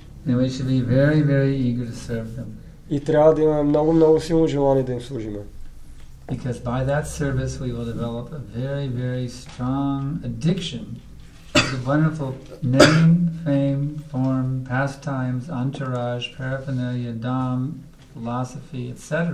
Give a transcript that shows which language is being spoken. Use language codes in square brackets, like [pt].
[en] And we should be very, very eager to serve them. [bg] И трябва да имаме много, много силно желание да им служим. [en] Because by that service we will develop a very, very strong addiction to the wonderful name, fame, form, pastimes, entourage, paraphernalia, dham, philosophy, etc.